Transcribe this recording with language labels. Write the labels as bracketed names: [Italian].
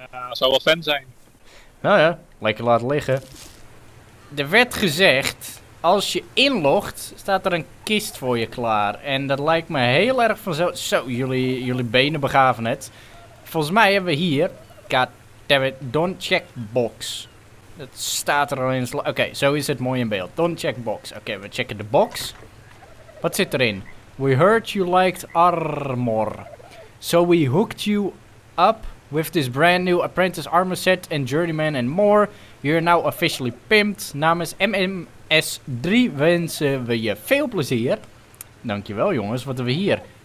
[Dutch] Zou wel fan zijn. Nou ja, lekker laten liggen. Er werd gezegd, als je inlogt, staat er een kist voor je klaar. En dat lijkt me heel erg vanzelf. Zo, jullie benen begaven het. Volgens mij hebben we hier... [English] God damn it, don't check box. [Dutch] Het staat er al in. Oké, zo is het mooi in beeld. [English] Don't check box. [Dutch] Oké, we checken de box. Wat zit erin? [English] We heard you liked armor. So we hooked you up with this brand new apprentice armor set and journeyman and more. You're now officially pimped. [Dutch] Namens MMS3 wensen we je veel plezier. Dankjewel jongens, wat hebben we hier?